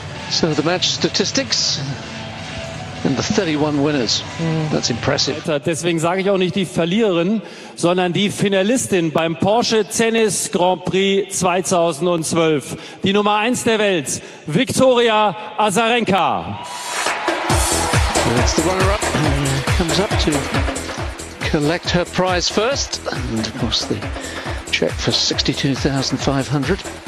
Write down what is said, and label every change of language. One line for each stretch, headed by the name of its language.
English: So the match statistics and the 31 winners. That's impressive.
German: Deswegen sage ich auch nicht die Verliererin, sondern die Finalistin beim Porsche Tennis Grand Prix 2012. Die Nummer 1 der Welt, Victoria Azarenka.
English: That's the runner-up. Comes up to collect her prize first. And of course the check for $62,500.